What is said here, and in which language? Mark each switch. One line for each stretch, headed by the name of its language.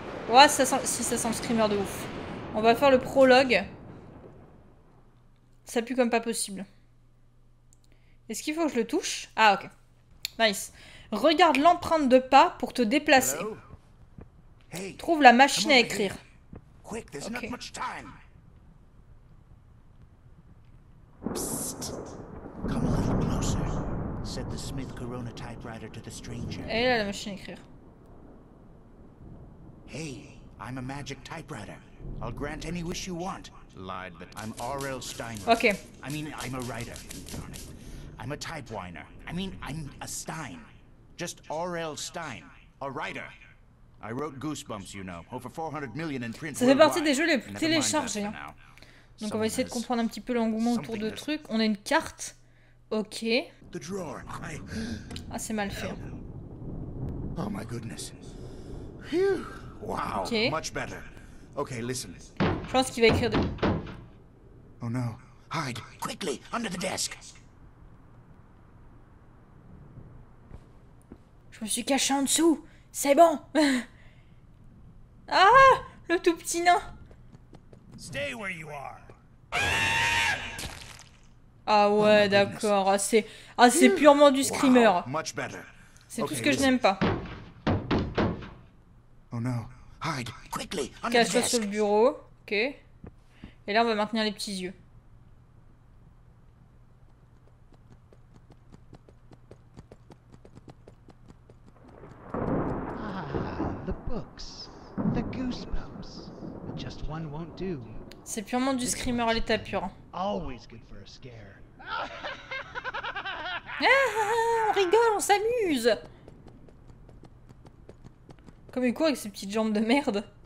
French: Ouais, ça sent, si ça sent le screamer de ouf. On va faire le prologue. Ça pue comme pas possible. Est-ce qu'il faut que je le touche? Ah, ok. Nice. Regarde l'empreinte de pas pour te déplacer. Hey, trouve la machine à écrire.
English: Quick, there's not much time. Psst. Come a little closer, said the Smith Corona typewriter to the stranger.
French: Et là, la machine à écrire.
English: Hey, I'm a magic typewriter. I'll grant any wish you want. Lied, but I'm R.L. Stein. Okay. I mean, I'm a writer. Darn it. I'm a type whiner. I mean, I'm a Stein. Just R.L. Stein. A writer. I wrote Goosebumps, you know. Over 400 million in print.
French: Ça fait partie des jeux les plus téléchargés. Hein. Donc on va essayer de comprendre un petit peu l'engouement autour de trucs. On a une carte.
English: Ok. The drawer.
French: Ah, c'est mal fait.
English: Oh my goodness. Phew. Wow. Okay. Much better. Ok, listen.
French: Je pense qu'il va écrire de... Oh non.
English: Hide quickly under the desk.
French: Je me suis caché en dessous. C'est bon. Ah, le tout petit nain.
English: Stay where you are.
French: Ah ouais, d'accord. C'est purement du screamer.
English: Much better.
French: C'est tout ce que je n'aime pas. Oh non. Cache-toi sur le bureau, ok. Et là, on va maintenir les petits yeux.
English: Ah, the books, the goosebumps. Just one won't do.
French: C'est purement du screamer à l'état pur.
English: Always good for a scare.
French: On rigole, on s'amuse. Comme il court avec ses petites jambes de merde.